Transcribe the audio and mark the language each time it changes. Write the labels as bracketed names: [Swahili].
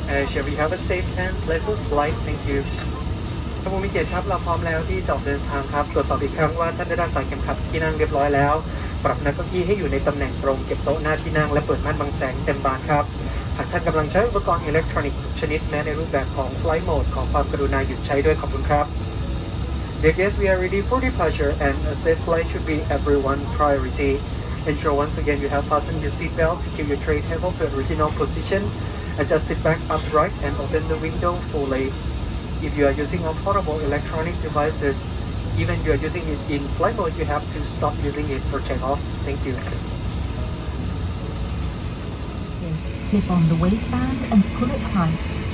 [English] Shall we have a safe and pleasant flight? Thank you. [Thai] ครับผมมีเกียรติครับเราพร้อมแล้วที่จะออกเดินทางครับตรวจสอบอีกครั้งว่าท่านได้รับสายเข็มขัดที่นั่งเรียบร้อยแล้วปรับนักเก้าอี้ให้อยู่ในตำแหน่งตรงเก็บโต๊ะหน้าที่นั่งและเปิดม่านบังแสงเต็มบานครับหากท่านกำลังใช้อุปกรณ์อิเล็กทรอนิกส์ชนิดแม้ในรูปแบบของ Flight Mode ขอความกรุณาหยุดใช้ด้วยขอบคุณครับ [English] Dear guests, we are ready for departure and a safe flight should be everyone's priorityEnsure once again you have fastened your seatbelt, secure your tray table to original position, adjust seat back upright and open the window fully. If you are using a portable electronic devices, even if you are using it in flight mode, you have to stop using it for takeoff. Thank you. Yes, clip on the waistband and pull it tight.